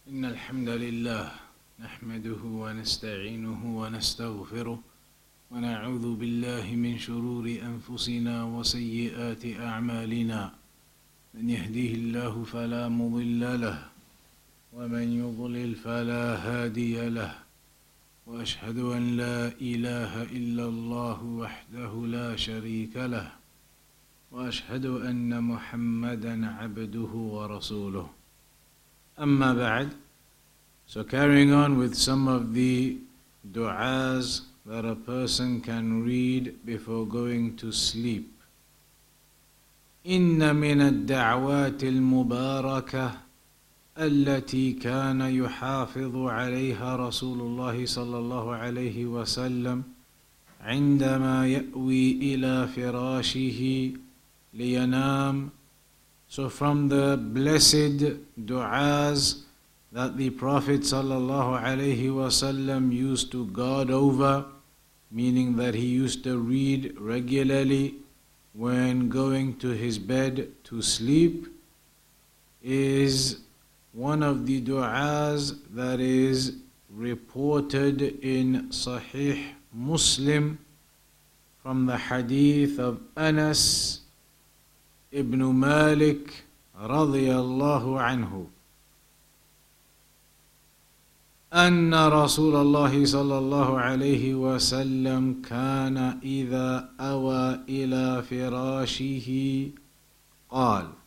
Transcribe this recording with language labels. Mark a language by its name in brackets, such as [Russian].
[Arabic] إن الحمد لله نحمده ونستعينه ونستغفره ونعوذ بالله من شرور أنفسنا وسيئات أعمالنا، من يهديه الله فلا مضل له ومن يضلل فلا هادي له، وأشهد أن لا إله إلا الله وحده لا شريك له، وأشهد أن محمدًا عبده ورسوله. أما بعد، [English] so carrying on with some of the du'as that a person can read before going to sleep. [Arabic] إن من الدعوات المباركة التي كان يحافظ عليها رسول الله صلى الله عليه وسلم عندما يأوي إلى فراشه لينام. [English] So from the blessed du'as that the Prophet sallallahu alayhi wasallam used to guard over, meaning that he used to read regularly when going to his bed to sleep, is one of the du'as that is reported in Sahih Muslim from the hadith of Anas ibn Malik radiyallahu anhu. [Arabic] أن رسول الله صلى الله عليه وسلم كان إذا أوى إلى فراشه قال.